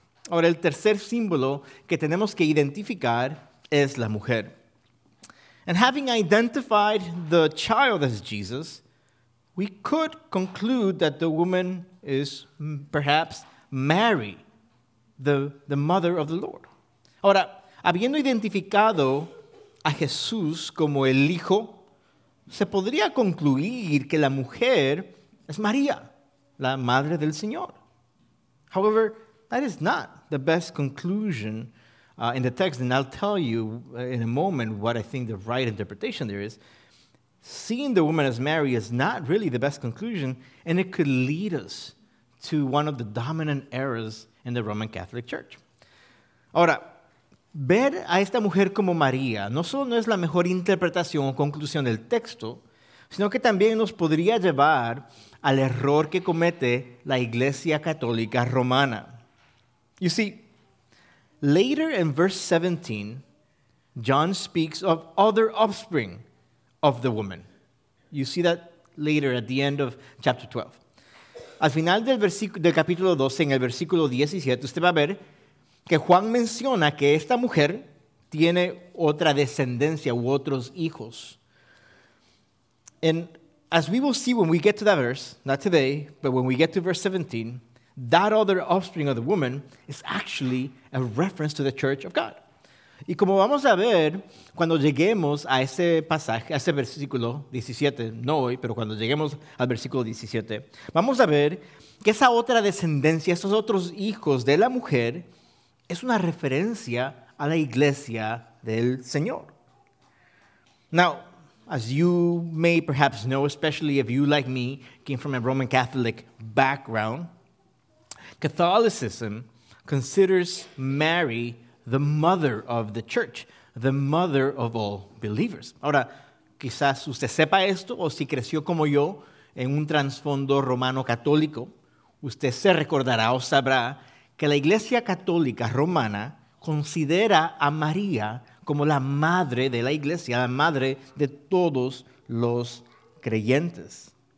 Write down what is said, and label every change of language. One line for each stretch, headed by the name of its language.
Spanish: Ahora, el tercer símbolo que tenemos que identificar es la mujer.
English: And having identified the child as Jesus, we could conclude that the woman is perhaps Mary, the mother of the Lord.
Spanish: Ahora, habiendo identificado a Jesús como el Hijo, se podría concluir que la mujer es María, la madre del Señor.
English: However, that is not the best conclusion in the text, and I'll tell you in a moment what I think the right interpretation there is. Seeing the woman as Mary is not really the best conclusion, and it could lead us to one of the dominant errors in the Roman Catholic Church.
Spanish: Ahora, ver a esta mujer como María no solo no es la mejor interpretación o conclusión del texto, sino que también nos podría llevar al error que comete la Iglesia Católica Romana.
English: You see, later in verse 17, John speaks of other offspring of the woman. You see that later at the end of chapter 12.
Spanish: Al final del capítulo 12, en el versículo 17, usted va a ver que Juan menciona que esta mujer tiene otra descendencia u otros hijos.
English: And as we will see when we get to that verse, not today, but when we get to verse 17, that other offspring of the woman is actually a reference to the church of God.
Spanish: Y como vamos a ver, cuando lleguemos a ese pasaje, a ese versículo 17, no hoy, pero cuando lleguemos al versículo 17, vamos a ver que esa otra descendencia, esos otros hijos de la mujer, es una referencia a la iglesia del Señor.
English: Now, as you may perhaps know, especially if you, like me, came from a Roman Catholic background, Catholicism considers Mary the mother of the church, the mother of all believers.
Spanish: Ahora, quizás usted sepa esto, o si creció como yo en un trasfondo romano católico, usted se recordará o sabrá que la Iglesia Católica Romana considera a María como la madre de la iglesia, la madre de todos los creyentes.